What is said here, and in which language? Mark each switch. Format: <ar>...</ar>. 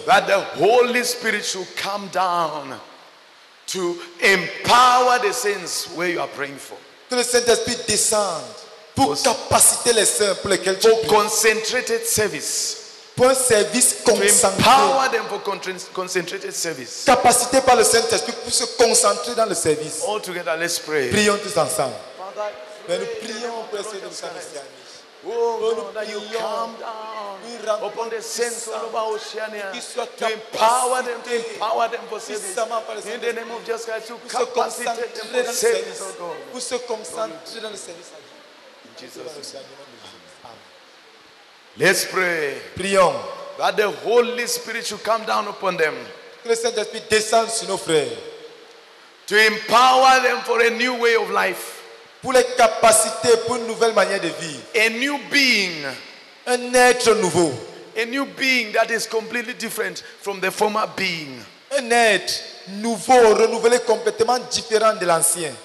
<en>That the Holy Spirit should come down to empower the saints where you are praying for.</en> <fr>Que le Saint-Esprit descende pour capaciter les saints pour lesquels tu pries.</fr> <en>For concentrated service.</en> <fr>Pour un service concentré.</fr> <en>Empower them for concentrated service.</en> <fr>Capacité par le Saint-Esprit pour se concentrer dans le service.</fr> <en>All together, let's pray.</en> <fr>Prions tous ensemble. Father, nous prions pour ces deux saints.</fr> <en>Oh, God, that you come down upon the saints all over Oceania to empower them for service. In the name of Jesus Christ, to capacitate them for the service, oh God.</en> <fr>Pour se concentrer dans le service.</fr> <en>In Jesus' name. Let's pray.</en> <fr>Prions.</fr> <en>That the Holy Spirit should come down upon them.</en> <fr>Que le Saint-Esprit descende sur nos frères.</fr> <en>To empower them for a new way of life.</en> <fr>Pour les capacités pour une nouvelle manière de vivre.</fr> <en>A new being.</en> <fr>Un être nouveau.</fr> <en>A new being that is completely different from the former being.</en> <fr>Un être nouveau, renouvelé, complètement différent de l'ancien.</fr>